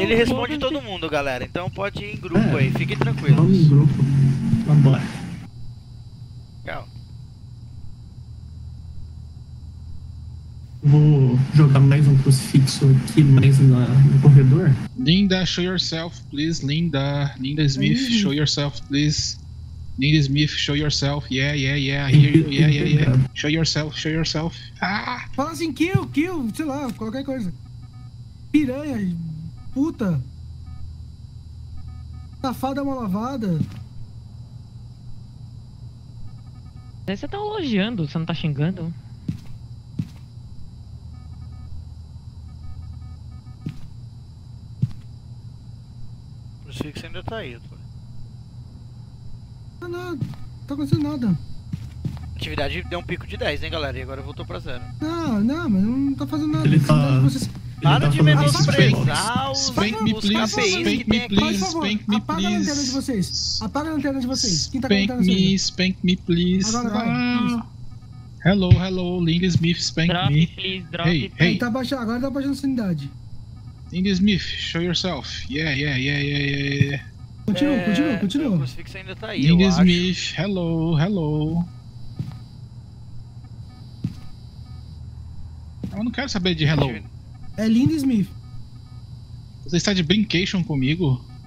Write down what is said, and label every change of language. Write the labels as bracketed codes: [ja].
[pt] Ele responde todo mundo, galera. Então pode ir em grupo aí, fiquem tranquilos. Vamos em grupo. Vambora. Vou jogar mais um crucifixo aqui, mais no corredor. [en] Linda, show yourself, please, Linda. Linda Smith, show yourself, please. Linda Smith, show yourself. Yeah, yeah, yeah. I hear you. Yeah, yeah, yeah. Show yourself. Ah! [pt] Fala assim, kill, sei lá, qualquer coisa. Piranha, puta. Safada mal lavada. Aí você tá elogiando, você não tá xingando? Por isso que você ainda tá aí, pô. Não, não, tá acontecendo nada. Atividade deu um pico de 10, hein, galera? E agora voltou pra zero. Não, mas não tá fazendo nada. Ele tá... Nada de menor sobre eles. [en] Spank me please, spank me please, spank me please. [pt] Apaga a lanterna de vocês. Quem tá contando isso? [en] Spank me, spank me please. [pt] Agora vai. [en] Hello, Linda Smith, spank drop me. Drop, please. [pt] Tá baixando, agora tá baixando a sanidade. [en] Linda Smith, show yourself. Yeah. [pt] Continua. Eu consigo que você ainda tá aí, Linda Smith, acho. [en] hello. [pt] Eu não quero saber de hello. É Linda Smith. Você está de brincation comigo?